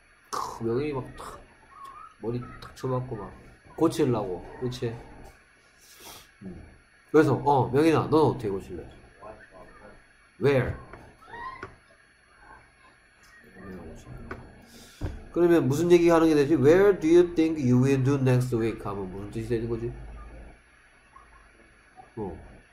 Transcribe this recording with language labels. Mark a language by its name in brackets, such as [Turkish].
[Korean] 크, 명인이 막 탁, 머리 탁 쳐맞고 막 고치려고, 그치? 그래서, 어, 명인아, 너 어떻게 고칠래? [English] Where? [Korean] 그러면 무슨 얘기 하는 게 되지? [English] Where do you think you will do next week? [Korean] 하면 무슨 뜻이 되는 거지? 어.